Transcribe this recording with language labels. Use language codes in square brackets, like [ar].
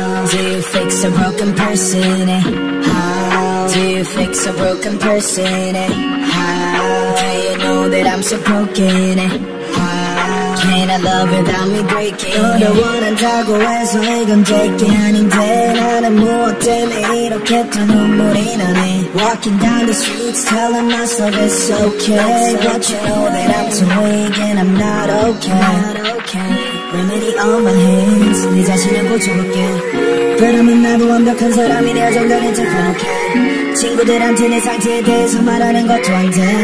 [en] Do you fix a broken person? How do you fix a broken person? How do you know that I'm so broken? How can I love without me breaking? [ko] 너를 원한다고 해서 이건 될게 아닌데 나는 무엇 때문에 이렇게 또 눈물이 나네. [en] Walking down the streets telling myself it's okay, but you know that I'm too weak and I'm not okay. Remedy on my hands, [ko] 네 자신을 고쳐볼게. 그러면 나도 완벽한 사람이 되어 정당해 착각해. 친구들한테 내 상태에 대해서 말하는 것도 안 돼.